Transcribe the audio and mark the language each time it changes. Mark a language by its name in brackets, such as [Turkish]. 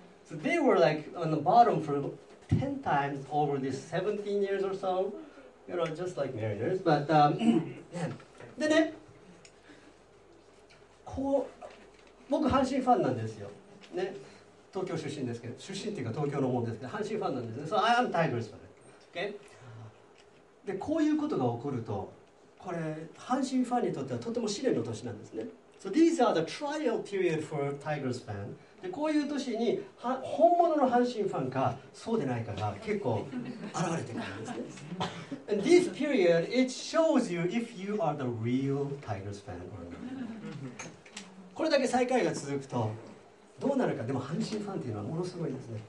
[English] So they were like on the bottom for 10 times over this 17 years or so. You know, just like Mariners. [Japanese] But, でね、こう、僕、阪神ファンなんですよ。ね、東京出身ですけど、出身っていうか東京のもんですけど、阪神ファンなんですね。 [English] So I am Tigers for it. Okay? [Japanese] で、こういうことが起こると、これ阪神ファンにとってはとても試練の年なんですね。 [English] So these are the trial period for Tigers fan. [Japanese] でこういう年に本物の阪神ファンかそうでないかが結構現れてくるんですね。 [English] And this period it shows you if you are the real Tigers fan or not. [Japanese] これだけ最下位が続くとどうなるか。でも阪神ファンっていうのはものすごいですね。